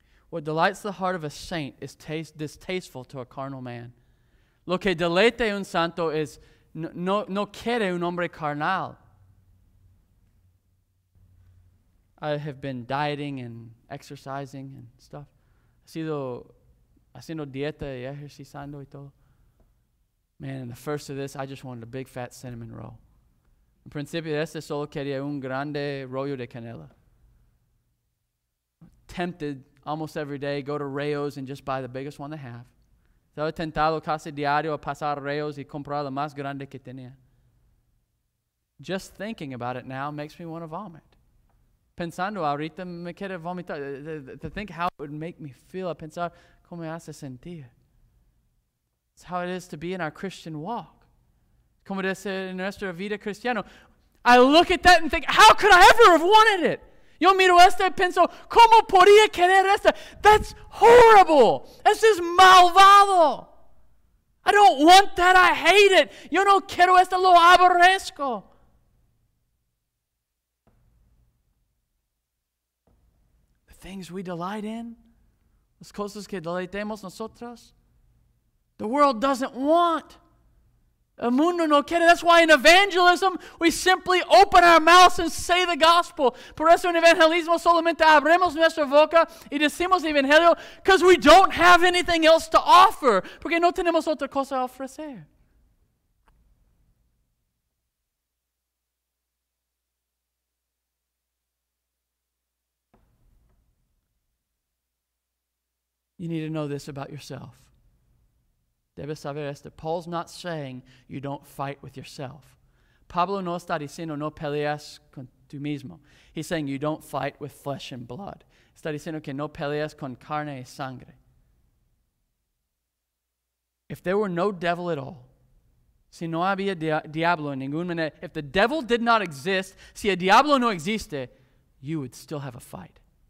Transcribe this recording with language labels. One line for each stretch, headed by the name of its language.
English: What delights the heart of a saint is distasteful to a carnal man.
Spanish: Lo que deleite un santo es no quiere un hombre carnal.
English: I have been dieting and exercising and stuff.
Spanish: He sido haciendo dieta y ejercitando y todo.
English: Man, in the first of this, I just wanted a big fat cinnamon roll.
Spanish: En principio de este, solo quería un grande rollo de canela.
English: Tempted almost every day, go to Rayo's and just buy the biggest one they have.
Spanish: Estaba tentado casi diario a pasar a Rayo's y comprar lo más grande que tenía.
English: Just thinking about it now makes me want to vomit.
Spanish: Pensando ahorita me quiere vomitar.
English: To think how it would make me feel,
Spanish: a pensar cómo me hace sentir.
English: It's how it is to be in our Christian walk.
Spanish: Como de ser en nuestra vida cristiana.
English: I look at that and think, how could I ever have wanted it?
Spanish: Yo miro esto y pienso, ¿cómo podría querer esto?
English: That's horrible. This is malvado. I don't want that. I hate it.
Spanish: Yo no quiero esto. Lo aborrezco.
English: The things we delight in,
Spanish: las cosas que deleitemos nosotros,
English: the world doesn't want.
Spanish: El mundo no quiere.
English: That's why in evangelism, we simply open our mouths and say the gospel.
Spanish: Por eso en evangelismo solamente abrimos nuestra boca y decimos el evangelio,
English: because we don't have anything else to offer.
Spanish: Porque no tenemos otra cosa a ofrecer.
English: You need to know this about yourself.
Spanish: Debes saber esto.
English: Paul's not saying you don't fight with yourself.
Spanish: Pablo no está diciendo no peleas con tú mismo.
English: He's saying you don't fight with flesh and blood.
Spanish: Está diciendo que no peleas con carne y sangre.
English: If there were no devil at all,
Spanish: si no había diablo en ningún manera,
English: if the devil did not exist,
Spanish: si el diablo no existe,
English: you would still have a fight.